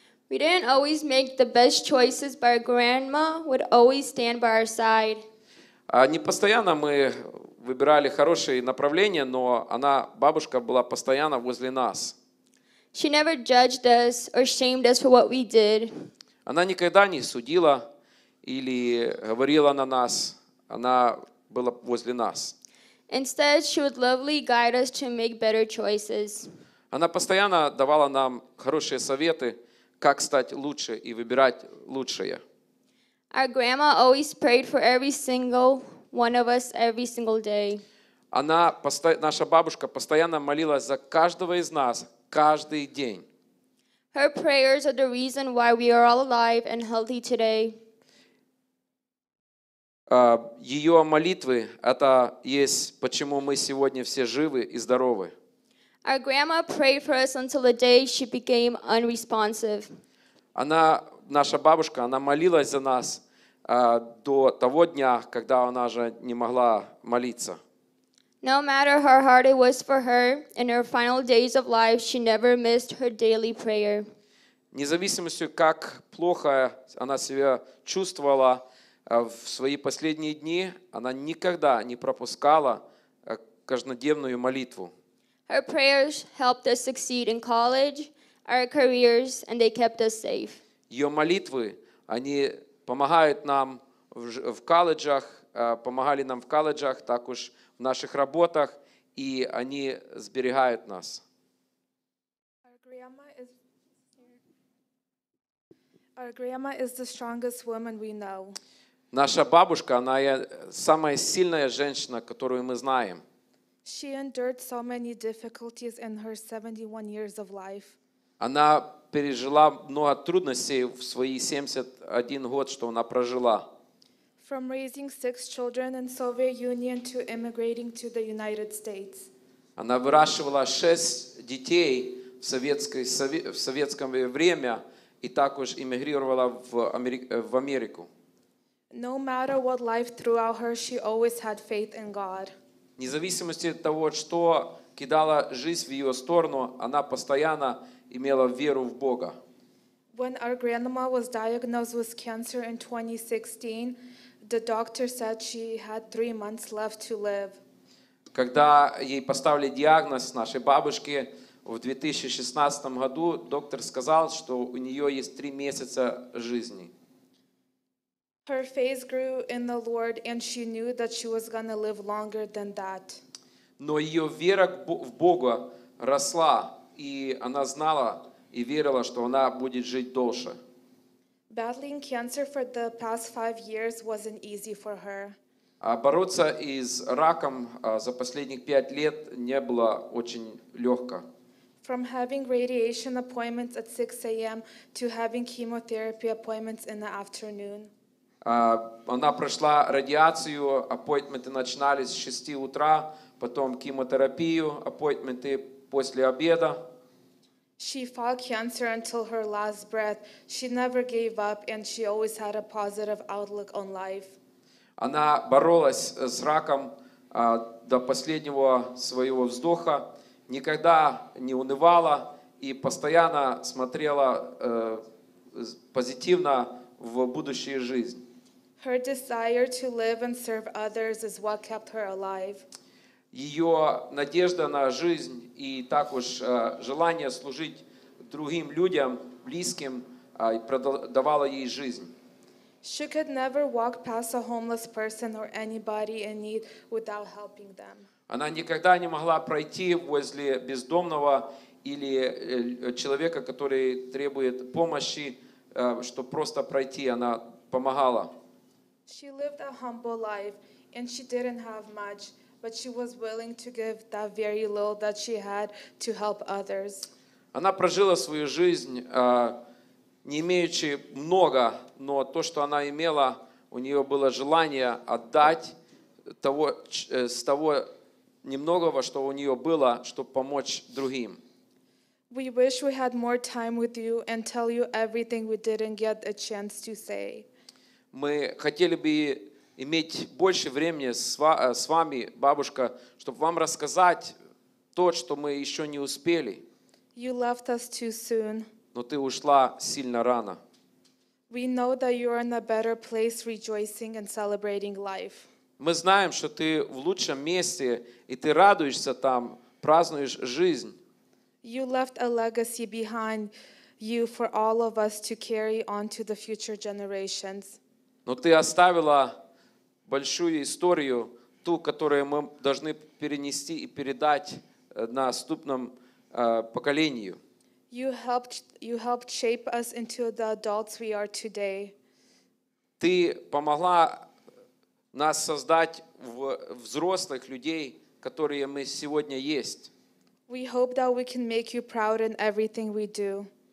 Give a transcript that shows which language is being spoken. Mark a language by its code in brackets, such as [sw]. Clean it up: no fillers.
[en] We didn't always make the best choices, but our grandma would always stand by our side. [ru] Не постоянно мы выбирали хорошие направления, но она, бабушка, была постоянно возле нас. [en] She never judged us or shamed us for what we did. [ru] Она никогда не судила или говорила на нас, она была возле нас. [en] Instead, she would lovingly guide us to make better choices. [ru] Она постоянно давала нам хорошие советы, как стать лучше и выбирать лучшее. [en] Our grandma always prayed for every single one of us every single day. [ru] Наша бабушка постоянно молилась за каждого из нас каждый день. [en] Her prayers are the reason why we are all alive and healthy today. [ru] Ее молитвы — это есть, почему мы сегодня все живы и здоровы. [en] Our grandma prayed for us until the day she became unresponsive. [ru] Наша бабушка, она молилась за нас до того дня, когда она же не могла молиться. [en] No matter how hard it was for her, in her final days of life, she never missed her daily prayer. [ru] Независимо, как плохо она себя чувствовала, в свои последние дни она никогда не пропускала каждодневную молитву. [en] Her prayers helped us succeed in college, our careers, and they kept us safe. [ru] Ее молитвы, они помогают нам в колледжах, помогали нам в колледжах, так уж в наших работах, и они сберегают нас. [en] Our Our grandma is the strongest woman we know. [ru] Наша бабушка, она самая сильная женщина, которую мы знаем. [en] She endured so many difficulties in her 71 years of life. [ru] Она пережила много трудностей в свои 71 год, что она прожила. [en] From raising six children in Soviet Union to immigrating to the United States. [ru] Она выращивала 6 детей в советское время и также эмигрировала в Америку. [en] No matter what life threw at her, she always had faith in God. [ru] Независимо от того, что кидала жизнь в ее сторону, она постоянно имела веру в Бога. [en] When our grandma was diagnosed with cancer in 2016, the doctor said she had 3 months left to live. [ru] Когда ей поставили диагноз нашей бабушке в 2016 году, доктор сказал, что у нее есть 3 месяца жизни. [en] Her faith grew in the Lord, and she knew that she was going to live longer than that. [ru] Но ее вера в Бога росла, и она знала и верила, что она будет жить дольше. [en] Battling cancer for the past 5 years wasn't easy for her. [ru] А бороться с раком за последних 5 лет не было очень легко. [en] From having radiation appointments at 6 a.m. to having chemotherapy appointments in the afternoon. [ru] Она прошла радиацию, аппойтменты начинались с 6 утра, потом химиотерапию, аппойтменты после обеда. [en] She fought cancer until her last breath. She never gave up, and she always had a positive outlook on life. [ru] Она боролась с раком до последнего своего вздоха, никогда не унывала и постоянно смотрела позитивно в будущую жизнь. [en] Her desire to live and serve others is what kept her alive. [ru] Ее надежда на жизнь и также желание служить другим людям, близким, давало ей жизнь. [en] She could never walk past a homeless person or anybody in need without helping them. [ru] Она никогда не могла пройти возле бездомного или человека, который требует помощи, чтобы просто пройти, она помогала. [en] She lived a humble life, and she didn't have much, but she was willing to give that very little that she had to help others. [ru] Она прожила свою жизнь, не имеючи много, но то, что она имела, у нее было желание отдать с того немногого, что у нее было, чтобы помочь другим. [en] We wish we had more time with you and tell you everything we didn't get a chance to say. [ru] Мы хотели бы иметь больше времени с вами, бабушка, чтобы вам рассказать то, что мы еще не успели. [en] You left us too soon. [ru] Но ты ушла сильно рано. [en] We know that you are in a better place rejoicing and celebrating life. [ru] Мы знаем, что ты в лучшем месте, и ты радуешься там, празднуешь жизнь. [en] You left a legacy behind you for all of us to carry on to the future generations. [ru] Но ты оставила большую историю, ту, которую мы должны перенести и передать наступному поколению. [en] You helped shape us into the adults we are today. [ru] Ты помогла нас создать в взрослых людей, которые мы сегодня есть. [en] We hope that we can make you proud in everything we do.